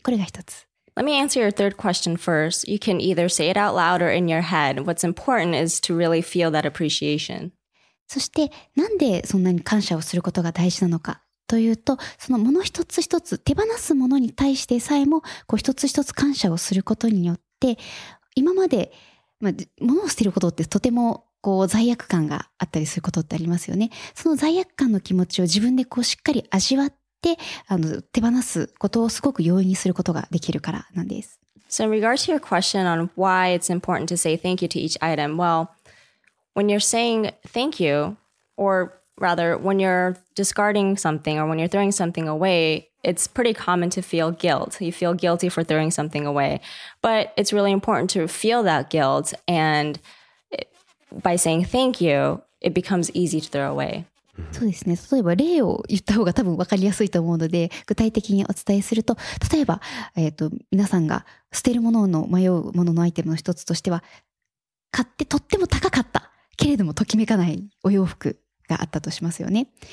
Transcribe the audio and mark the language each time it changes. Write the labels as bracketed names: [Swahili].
[Japanese] これが一つ。 [English] Let me answer your third question first. You can either say it out loud or in your head. What's important is to really feel that appreciation. [Japanese] そしてなんでそんなに感謝をすることが大事なのかというと、そのもの一つ一つ手放すものに対してさえもこう一つ一つ感謝をすることによって、今まで、まあ、物を捨てることってとてもこう罪悪感があったりすることってありますよね。その罪悪感の気持ちを自分でこうしっかり味わってあの手放すことをすごく容易にすることができるからなんです。 [English] So in regards to your question on why it's important to say thank you to each item, wellWhen you're saying thank you, or rather, when you're discarding something or when you're throwing something away, it's pretty common to feel guilt. You feel guilty for throwing something away. But it's really important to feel that guilt. And by saying thank you, it becomes easy to throw away. [Japanese] そうですね。例えば例を言った方が多分分かりやすいと思うので、具体的にお伝えすると、例えば、皆さんが捨てるものの迷うもののアイテムの一つとしては、買ってとっても高かった。けれどもときめかないお洋服があったとしますよね。